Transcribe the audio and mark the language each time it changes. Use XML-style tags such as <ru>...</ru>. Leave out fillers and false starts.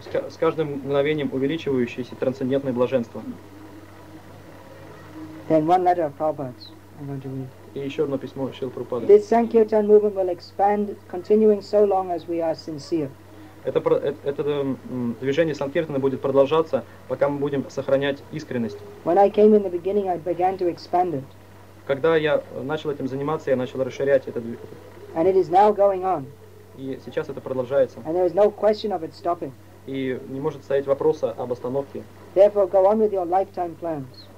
<ru>С каждым мгновением увеличивающееся трансцендентное блаженство.</ru> <en>Then one letter of Prabhupada's I'm going to read.</en> <ru>И еще одно письмо Шрилы Прабхупады.</ru> <en>This Sankirtan movement will expand, continuing so long as we are sincere.</en> <ru>Это движение Санкиртана будет продолжаться, пока мы будем сохранять искренность.</ru> <en>When I came in the beginning, I began to expand it.</en> <ru>Когда я начал этим заниматься, я начал расширять это движение.</ru> <en>And it is now going on.</en> <ru>И сейчас это продолжается.</ru> <en>And there is no question of it stopping.</en> <ru>И не может стоять вопроса об остановке.</ru> <en>Therefore, go on with your lifetime plans.</en>